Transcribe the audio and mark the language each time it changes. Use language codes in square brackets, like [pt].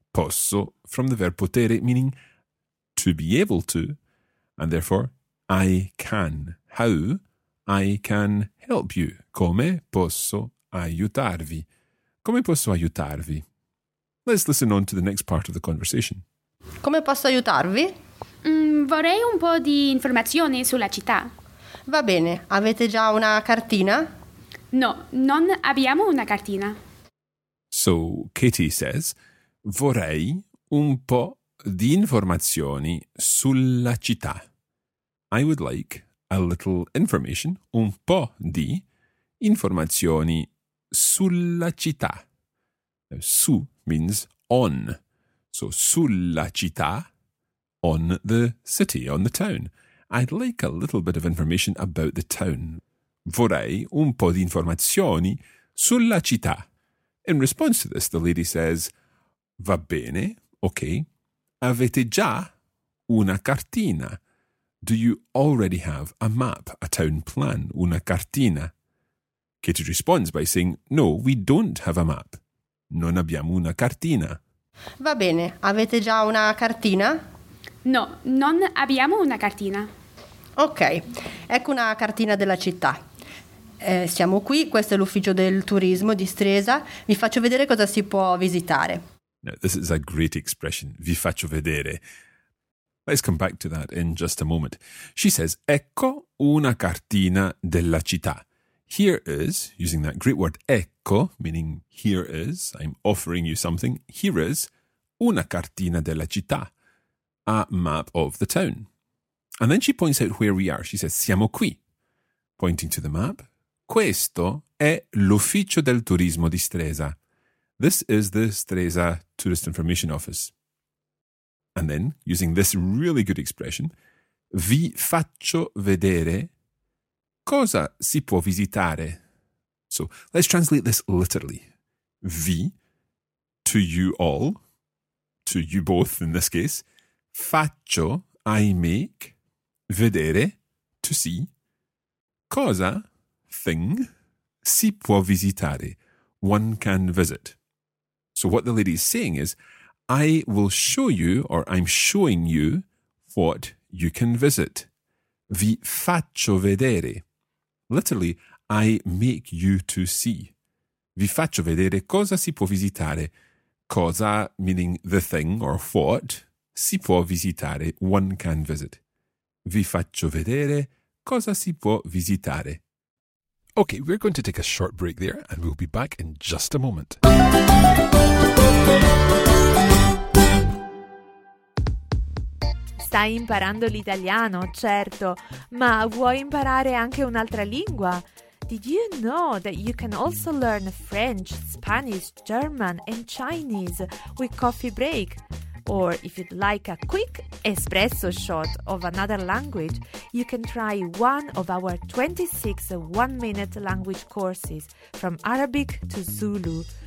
[en] Posso, from the verb potere, meaning to be able to, and therefore, I can. How? I can help you. [it] Come posso aiutarvi? Come posso aiutarvi? [en] Let's listen on to the next part of the conversation. [it] Come posso aiutarvi? Vorrei un po' di informazioni sulla città. Va bene. Avete già una cartina? No, non abbiamo una cartina. [en] So, Katie says, [it] vorrei un po' di informazioni sulla città. [en] I would like a little information, [it] un po' di informazioni sulla città. [en] Now, su means on. So, sulla città, on the city, on the town. I'd like a little bit of information about the town. [it] Vorrei un po' di informazioni sulla città. [en] In response to this, the lady says, [it] va bene, [en] ok. [it] Avete già una cartina? [en] Do you already have a map, a town plan, [it] una cartina? [en] Katie responds by saying, no, we don't have a map. [it] Non abbiamo una cartina. Va bene, avete già una cartina? No, non abbiamo una cartina. Ok, ecco una cartina della città. Siamo qui, questo è l'ufficio del turismo di Stresa. Vi faccio vedere cosa si può visitare. [en] Now, this is a great expression, [it] vi faccio vedere. [en] Let's come back to that in just a moment. She says, [it] ecco una cartina della città. [en] Here is, using that Greek word ecco, meaning here is, I'm offering you something. Here is [it] una cartina della città, [en] a map of the town. And then she points out where we are. She says, [it] siamo qui, [en] pointing to the map. [it] Questo è l'ufficio del turismo di Stresa. [en] This is the Stresa Tourist Information Office. And then, using this really good expression, [it] vi faccio vedere cosa si può visitare. [en] So, let's translate this literally. Vi, to you all, to you both in this case, faccio, I make, vedere, to see, cosa, thing, [it] si può visitare, [en] one can visit. So what the lady is saying is, I will show you, or I'm showing you, what you can visit. [it] Vi faccio vedere. [en] Literally, I make you to see. [it] Vi faccio vedere cosa si può visitare. Cosa, [en] meaning the thing or what, [it] si può visitare, [en] one can visit. [it] Vi faccio vedere cosa si può visitare. [en] Okay, we're going to take a short break there and we'll be back in just a moment. [it] Stai imparando l'italiano, certo, ma vuoi imparare anche un'altra lingua? [en] Did you know that you can also learn French, Spanish, German and Chinese with Coffee Break? Or if you'd like a quick espresso shot of another language, you can try one of our 26 one-minute language courses from Arabic to Zulu.